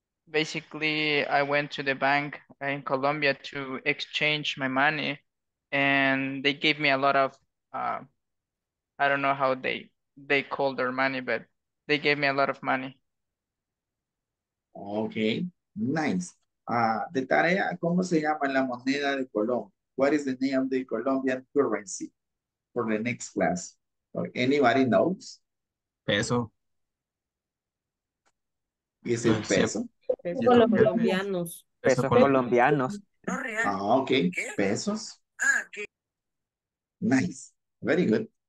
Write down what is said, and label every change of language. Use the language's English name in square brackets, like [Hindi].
[English] Basically, I went to the bank in Colombia to exchange my money, and they gave me a lot of, I don't know how they call their money, but they gave me a lot of money. Okay, nice. [Spanish] De tarea, ¿cómo se llama la moneda de Colombia? [English] What is the name of the Colombian currency for the next class? Or anybody knows? Peso. Is it peso? [Spanish] Pesos colombianos. [English] Ah, okay. Pesos. Nice. Very good.